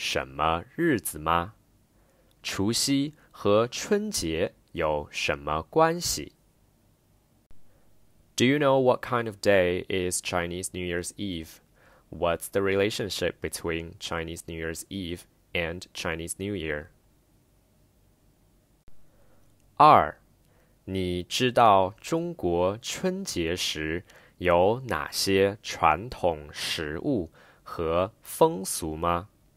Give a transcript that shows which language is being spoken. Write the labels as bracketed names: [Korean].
[Chinese] 你知道中国的除夕是什么日子吗?除夕和春节有什么关系? [English] Do you know what kind of day is Chinese New Year's Eve? What's the relationship between Chinese New Year's Eve and Chinese New Year? [Chinese] 二, 你知道中国春节时 有哪些传统食物和风俗吗?